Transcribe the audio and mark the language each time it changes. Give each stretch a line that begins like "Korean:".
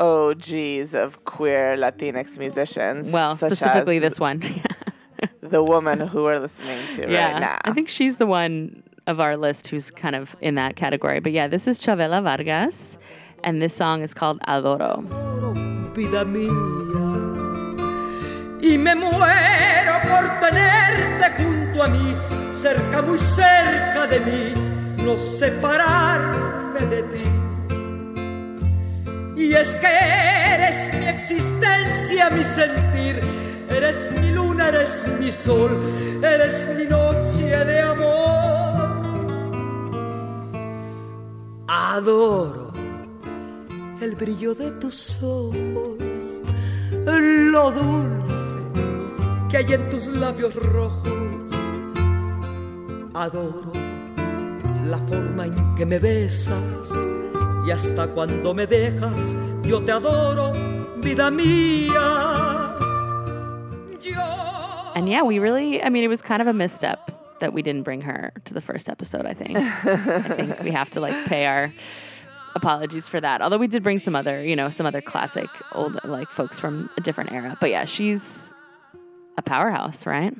English: OGs of queer Latinx musicians. Well, specifically this one. The woman who we're listening to right now. I think she's the one of our list who's kind of in that category. But yeah, this is Chavela Vargas, and this song is called Adoro.
Spanish: Vida mía. Y me muero por tenerte junto a mí, cerca, muy cerca de mí, no separarme de ti. Y es que eres mi existencia, mi sentir, eres mi luna, eres mi sol, eres mi noche de amor. Adoro el brillo de tus ojos, lo dulce que hay en tus labios rojos. Adoro la forma en que me besas, y hasta cuando me dejas, yo te adoro, vida mía. Yo.
English: And yeah, we really, I mean, it was kind of a misstep that we didn't bring her to the first episode, I think. I think we have to, like, pay our apologies for that. Although we did bring some other, you know, some other classic old, like, folks from a different era. But yeah, she's a powerhouse, right?